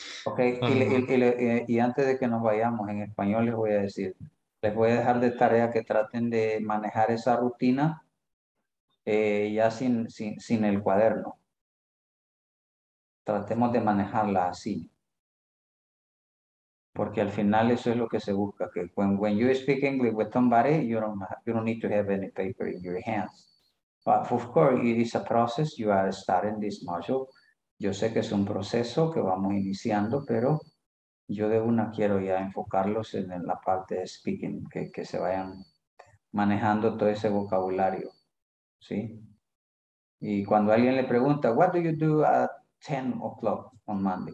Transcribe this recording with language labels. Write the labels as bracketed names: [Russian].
[Spanish] Ok, y antes de que nos vayamos en español les voy a decir, les voy a dejar de tarea que traten de manejar esa rutina ya sin el cuaderno. Tratemos de manejarla así. Porque al final eso es lo que se busca. [English] Que when you speak English with somebody, you don't need to have any paper in your hands. But of course, it is a process. You are starting this module. [Spanish] Yo sé que es un proceso que vamos iniciando, pero yo de una quiero ya enfocarlos en la parte de speaking, que se vayan manejando todo ese vocabulario, ¿sí? Y cuando alguien le pregunta, [English] what do you do at 10 o'clock on Monday?